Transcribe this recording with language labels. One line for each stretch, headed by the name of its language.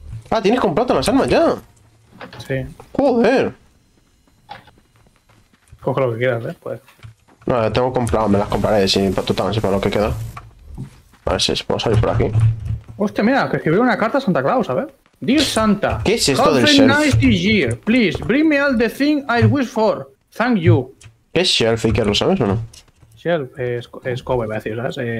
Spanish: Ah, tienes comprado las armas ya. Sí. Joder. Coge lo que quieras, ¿eh? Pues. No, las tengo comprado, me las compraré, sí, para total, sí, para lo que queda. A ver si puedo salir por aquí. Hostia, mira, que escribí una carta a Santa Claus, a ver.
English: Dear Santa,
Spanish: ¿qué es esto del shelf?
English: Have a nice year, please, bring me all the thing I wish for, thank you.
Spanish: ¿Qué es shelf, Iker, lo sabes o no? Shelf, es cobre, voy a decir, ¿sabes?